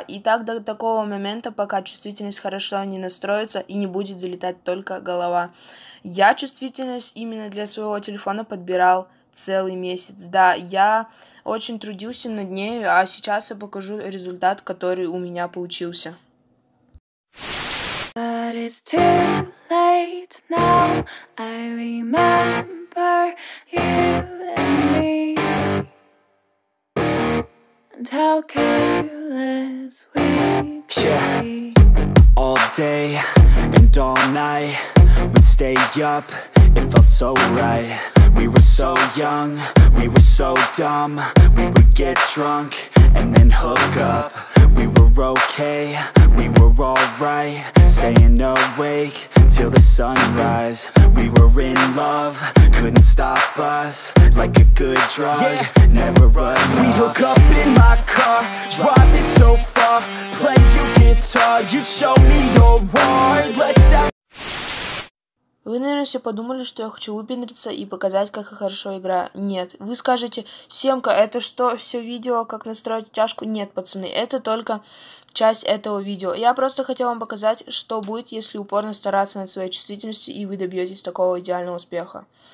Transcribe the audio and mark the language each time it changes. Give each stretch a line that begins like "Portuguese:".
Russian: И так до такого момента, пока чувствительность хорошо не настроится и не будет залетать только голова. Я чувствительность именно для своего телефона подбирал целый месяц. Да, я очень трудился над ней, а сейчас я покажу результат, который у меня получился.
English: But it's too late now, I remember you and me, and how careless we could be. All day and all night, we'd stay up, it felt so right. We were so young, we were so dumb, we would get drunk and then hook up. We were okay, we were alright, staying awake till the sunrise. We were in love, couldn't stop us, like a good drug, yeah. Never run off. We hook up in my car, driving so far, play your guitar, you'd show me your heart, let down.
Russian: Вы, наверное, все подумали, что я хочу выпендриться и показать, как я хорошо играю. Нет. Вы скажете: «Семка, это что, все видео, как настроить тяжку?» Нет, пацаны, это только часть этого видео. Я просто хотел вам показать, что будет, если упорно стараться над своей чувствительностью, и вы добьетесь такого идеального успеха.